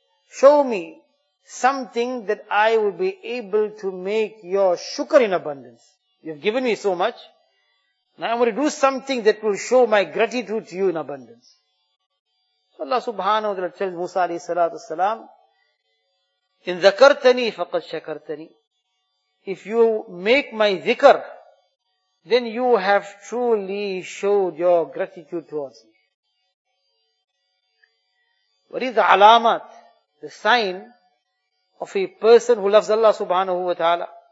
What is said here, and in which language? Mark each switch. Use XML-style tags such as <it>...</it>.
<en>Show me something that I will be able to make your shukr in abundance. You've given me so much. Now I'm going to do something that will show my gratitude to you in abundance. So Allah subhanahu wa ta'ala tells Musa alayhi salatu wasalam,</en> <ar>In ذَكَرْتَنِي فَقَدْ شَكَرْتَنِي.</ar> <en>If you make my dhikr, then you have truly showed your gratitude towards me. What is the alamat, the sign of a person who loves Allah subhanahu wa ta'ala?</en>